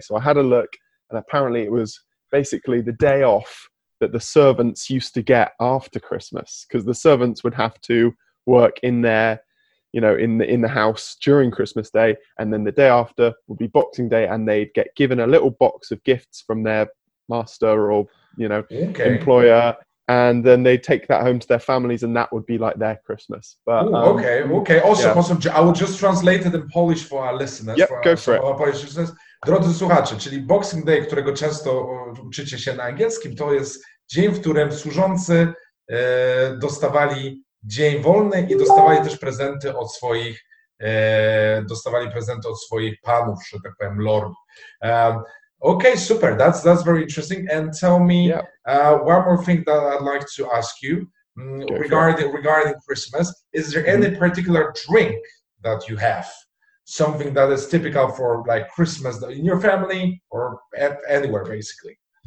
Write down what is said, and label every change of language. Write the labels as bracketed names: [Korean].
[English] So I had a look, and apparently it was basically the day off that the servants used to get after Christmas, because the servants would have to work in their, you know, in the house during Christmas Day, and then the day after would be Boxing Day, and they'd get given a little box of gifts from their master or, you know, employer, and then they'd take that home to their families, and that would be like their Christmas. But Awesome. I will just translate it in Polish for our listeners. Yep, go for it. [Polish] Drodzy słuchacze, czyli Boxing Day, którego często uczycie się na angielskim, to jest dzień, w którym służący dostawali dzień wolny i dostawali też prezenty od swoich, panów, że tak powiem, lordów. [English] Okay, super, that's very interesting. And tell me one more thing that I'd like to ask you regarding Christmas. Is there any particular drink that you have? Something that is typical for like Christmas in your family or anywhere, basically?